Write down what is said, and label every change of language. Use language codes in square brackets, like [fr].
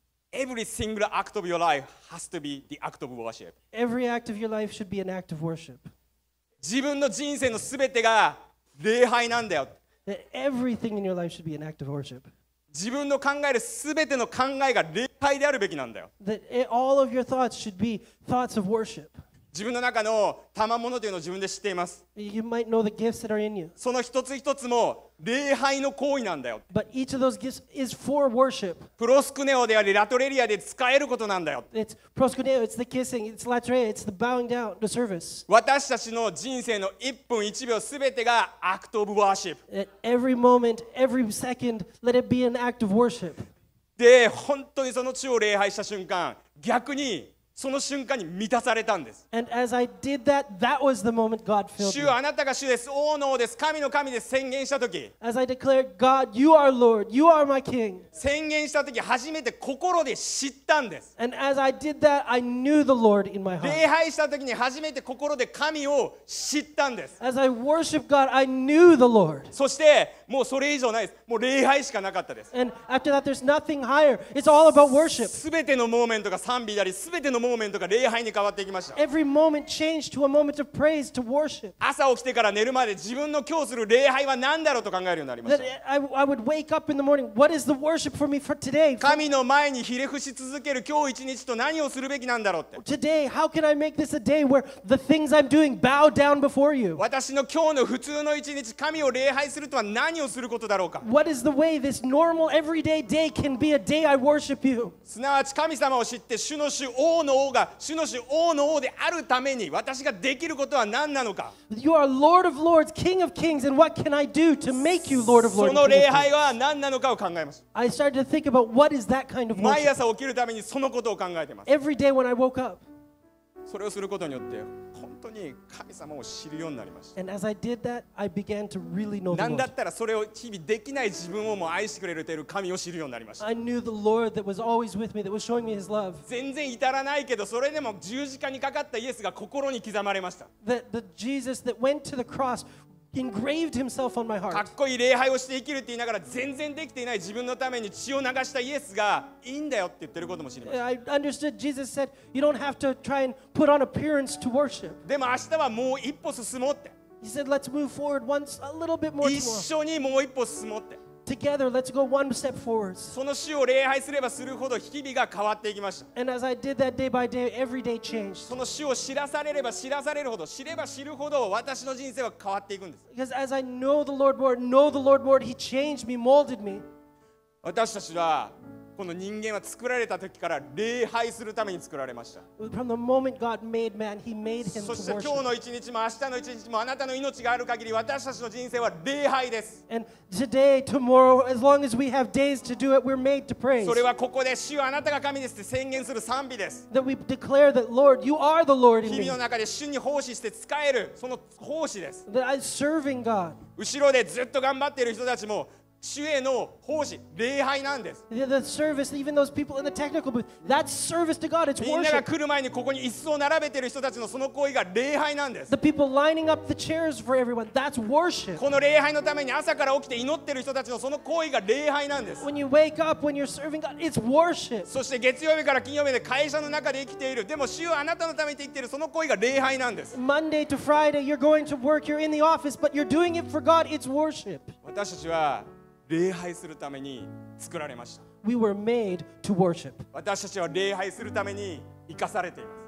[en] Every single act of your life has to be the act of worship. Every act of your life should be an act of worship. [ja] 自分の人生のすべてが礼拝なんだよ。 [en] Everything in your life should be an act of worship. [ja] 自分の考えるすべての考えが礼拝であるべきなんだよ。 [en] That all of your thoughts should be thoughts of worship. [ja] 自分の中の賜物というのを自分で知っています。 [en] You might know the gifts that are in you. [ja] その一つ一つも礼拝の行為なんだよ。 [en] But each of those gifts is for worship. [ja] プロスクネオでありラトレリアで使えることなんだよ。 [en] It's proskuneo, it's the kissing, it's latreia, it's the bowing down, the service. [ja] 私たちの人生の1分1秒すべてが [en] アクトオブワーシップ。 At every moment, every second, let it be an act of worship. [ja] で、本当にその地を礼拝した瞬間、逆にその瞬間に満たされたんです。 [en] And as I did that, that was the moment God filled me. [ja] 主あなたが主です。王の王です。神の神です。宣言したとき。 [en] As I declared, God, you are Lord, you are my King. [ja] 宣言したとき、初めて心で知ったんです。 [en] And as I did that, I knew the Lord in my heart. [ja] 礼拝したときに初めて心で神を知ったんです。 [en] As I worshiped God, I knew the Lord. [ja] そしてもうそれ以上ないです。もう礼拝しかなかったです。 [en] And after that, there's nothing higher. It's all about worship. [ja] すべてのモーメントが賛美であり、すべてのモーメントが賛美であり、モーメントが礼拝に変わっていきました。 [en] Every moment changed to a moment of praise, to worship. [ja] 朝起きてから寝るまで自分の今日する礼拝は何だろうと考えるようになりました。 [en] That I would wake up in the morning, what is the worship for me for today? [ja] 神の前にひれ伏し続ける今日一日と何をするべきなんだろうって。 [en] Today, how can I make this a day where the things I'm doing bow down before you? [ja] 私の今日の普通の一日、神を礼拝するとは何をすることだろうか。 [en] What is the way this normal everyday day can be a day I worship you? [ja] すなわち神様を知って主の主王の王が主の主王の王であるために私ができることは何なのか。 [en] You are Lord of Lords, King of Kings, and what can I do to make you Lord of Lords? [ja] その礼拝は何なのかを考えます。 [en] I started to think about what is that kind of worship. [ja] 毎朝起きるためにそのことを考えてます。 [en] Every day when I woke up. [ja] それをすることによって本当に神様を知るようになりました。 [en] And as I did that, I began to really know the Lord. [ja] 何だったらそれを日々できない自分をも愛してくれている神を知るようになりました。 [en] I knew the Lord that was always with me, that was showing me His love. [ja] 全然至らないけどそれでも十字架にかかったイエスが心に刻まれました。 [en] The Jesus that went to the cross engraved Himself on my heart. [ja] かっこいい礼拝をして生きるって言いながら全然できていない自分のために血を流したイエスがいいんだよって言ってることも知りました。 [en] I understood Jesus said, "You don't have to try and put on appearance to worship." [ja] でも明日はもう一歩進もうって。 [en] He said, "Let's move forward once a little bit more." [ja] 一緒にもう一歩進もうって。 [en] Together, let's go one step forward. [ja] その主を礼拝すればするほど日々が変わっていきました。 [en] And as I did that day by day, every day changed. [ja] その主を知らされれば知らされるほど、知れば知るほど私の人生は変わっていくんです。 [en] Because as I know the Lord more, He changed me, molded me. [ja] 私たちはこの人間は作られた時から礼拝するために作られました。 [en] From the moment God made man, He made him to worship. [ja] そして今日の一日も明日の一日もあなたの命がある限り私たちの人生は礼拝です。 [en] And today, tomorrow, as long as we have days to do it, we're made to praise. [ja] それはここで主はあなたが神ですって宣言する賛美です。 [en] That we declare that Lord, You are the Lord in me. [ja] 日々の中で主に奉仕して使えるその奉仕です。 [en] That I'm serving God. [ja] 後ろでずっと頑張っている人たちも。主への奉仕、礼拝なんです。 [en] The service, even those people in the technical booth, that's service to God. It's worship. [ja] みんなが来る前にここに椅子を並べている人たちのその行為が礼拝なんです。 [en] The people lining up the chairs for everyone, that's worship. [ja] この礼拝のために朝から起きて祈ってる人たちのその行為が礼拝なんです。 [en] When you wake up, when you're serving God, it's worship. [ja] そして月曜日から金曜日で会社の中で生きている、でも主はあなたのためにって言ってるその行為が礼拝なんです。 [en] Monday to Friday, you're going to work, you're in the office, but you're doing it for God. It's worship. [ja] 私たちは礼拝するために作られました。 [en] We were made to worship. [ja] 私たちは礼拝するために生かされています。